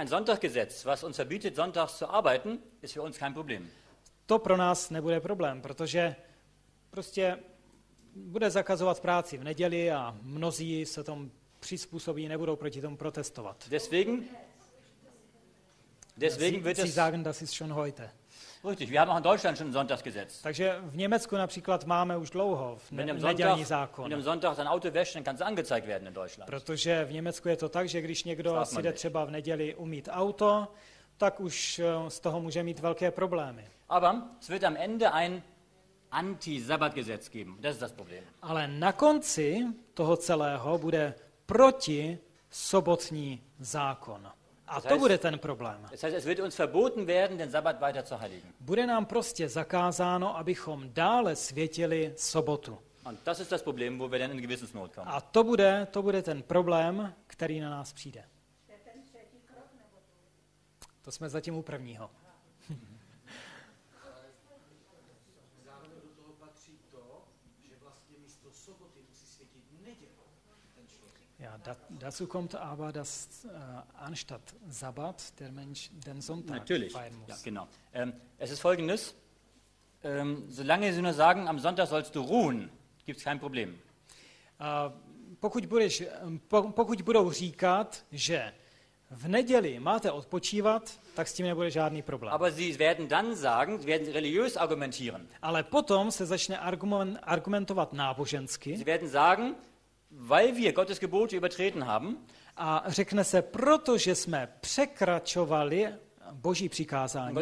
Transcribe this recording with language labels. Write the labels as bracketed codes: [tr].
[de] Ein Sonntaggesetz, was uns verbietet, sonntags zu arbeiten, ist für uns kein Problem. [cs] To pro nás nebude problém, protože prostě bude zakazovat práci v neděli a mnozí se tomu přizpůsobí, nebudou proti tomu protestovat. [de] Deswegen wird es Sie sagen, das ist schon heute. Richtig, wir haben auch in Deutschland schon ein Sonntagsgesetz. [cs] Takže v Německu například máme už dlouho nedělní zákon. [de] Wenn du am Sonntag dein Auto wäschst, dann kannst du angezeigt werden in Deutschland. [cs] Protože v Německu je to tak, že když někdo si jde třeba v neděli umýt auto, tak už z toho může mít velké problémy. [de] Aber es wird am Ende ein Anti-Sabbat-Gesetz geben. Das ist das Problem. [cs] Ale na konci toho celého bude protisobotní zákon. A to bude ten problém. [de] Das heißt, es wird uns verboten werden, den Sabbat weiter zu heiligen. [cs] Bude nám prostě zakázáno, abychom dále světili sobotu. [de] Und das ist das Problem, wo wir dann in Gewissensnot kommen. [cs] A to bude ten problém, který na nás přijde. To jsme zatím u prvního. [de] Ja, dazu kommt aber, dass anstatt Sabbat der Mensch den Sonntag Natürlich. Feiern muss. Ja, genau. Es ist folgendes, solange sie nur sagen, am Sonntag sollst du ruhen, gibt es kein Problem. [cs] Pokud budou říkat, že v neděli máte odpočívat, tak s tím nebude žádný problém. [de] Aber sie werden dann sagen, sie werden religiös argumentieren. [cs] Ale potom se začne argumentovat nábožensky. [de] Sie werden sagen, weil wir Gottes Gebote übertreten haben. [cs] A řekne se, protože jsme překračovali Boží přikázání.